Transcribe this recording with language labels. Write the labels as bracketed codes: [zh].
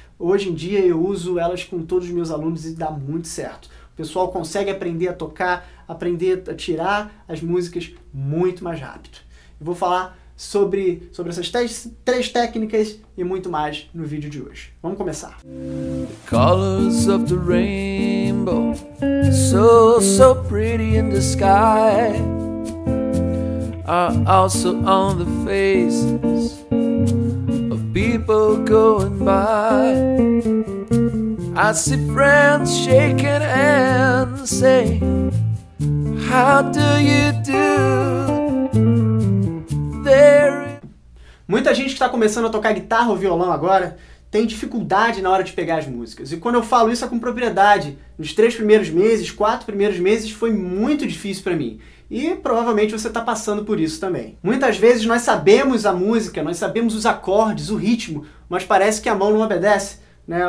[pt] Hoje em dia eu uso elas com todos os meus alunos e dá muito certo. O pessoal consegue aprender a tocar, aprender a tirar as músicas muito mais rápido. Eu vou falar sobre essas três técnicas e muito mais no vídeo de hoje. Vamos começar! [en] The colors of the rainbow, so, so pretty in the sky. Are also on the faces of people going by. I see friends shaking hands saying, how do you do? [pt] Muita gente que está começando a tocar guitarra ou violão agora tem dificuldade na hora de pegar as músicas. E quando eu falo isso é com propriedade. Nos três primeiros meses, quatro primeiros meses, foi muito difícil para mim. E provavelmente você está passando por isso também. Muitas vezes nós sabemos a música, nós sabemos os acordes, o ritmo, mas parece que a mão não obedece, né?